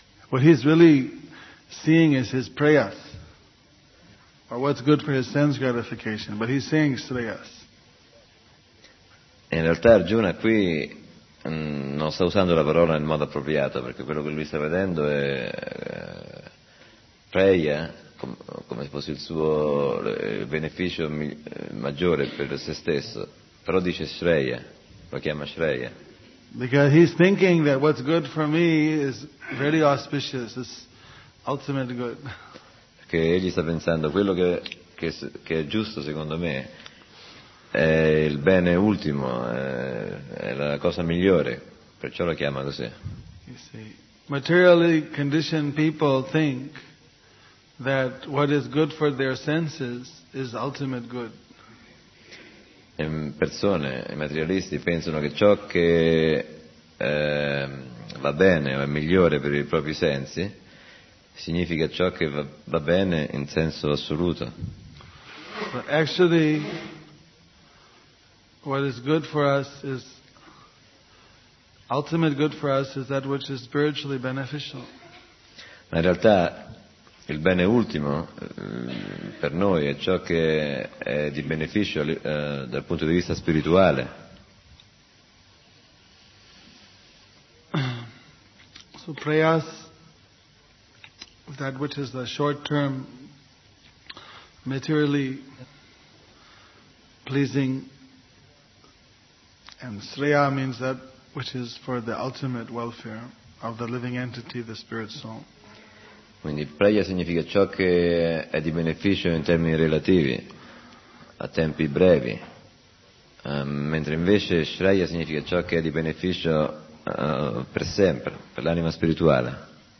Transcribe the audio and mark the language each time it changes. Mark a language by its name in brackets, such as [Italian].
[English] What he's really seeing is his prayas, or what's good for his sense gratification. But he's saying shreyas. [Italian] In realtà, Arjuna qui non sta usando la parola in modo appropriato, perché quello che lui sta vedendo è preya, come se fosse il suo beneficio maggiore per se stesso, però dice Shreya, lo chiama Shreya. [English] Because he's thinking that what's good for me is very auspicious, it's ultimate good. [Italian] Perché egli sta pensando quello che è giusto secondo me. È il bene ultimo, è la cosa migliore, perciò lo chiama così. [English] Materially conditioned people think that what is good for their senses is ultimate good. [Italian] Persone, i materialisti pensano che ciò che va bene o è migliore per i propri sensi significa ciò che va bene in senso assoluto. [English] But actually, what is good for us is ultimate good for us is that which is spiritually beneficial. [Italian] Ma in realtà il bene ultimo per noi è ciò che è di beneficio dal punto di vista spirituale. [English] So prayas, that which is the short term materially pleasing. And Shreya means that which is for the ultimate welfare of the living entity, the spirit soul. [Italian] Quindi preya significa ciò che è di beneficio in termini relativi, a tempi brevi. Mentre invece Shreya significa ciò che è di beneficio per sempre, per l'anima spirituale.